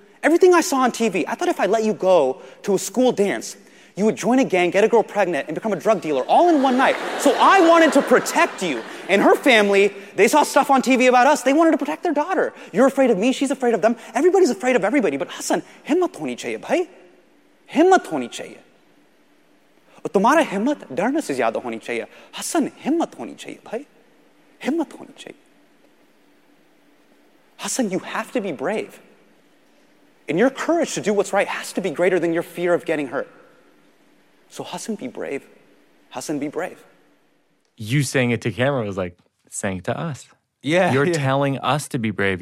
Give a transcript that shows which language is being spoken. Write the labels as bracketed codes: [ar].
[en] Everything I saw on TV, I thought if I let you go to a school dance, you would join a gang, get a girl pregnant, and become a drug dealer all in one night. So I wanted to protect you. And her family, they saw stuff on TV about us. They wanted to protect their daughter. You're afraid of me. She's afraid of them. Everybody's afraid of everybody. [ur] But حسن، ہمت ہونی چاہیے، بھائی. ہمت ہونی چاہیے. اور تمہارا ہمت ڈرنے سے زیادہ ہونی چاہیے. حسن، ہمت ہونی چاہیے، بھائی. ہمت ہونی چاہیے. [en] Hasan, you have to be brave. And your courage to do what's right has to be greater than your fear of getting hurt. So Hasan, be brave. Hasan, be brave. You saying it to camera was like saying it to us. Yeah. Telling us to be brave.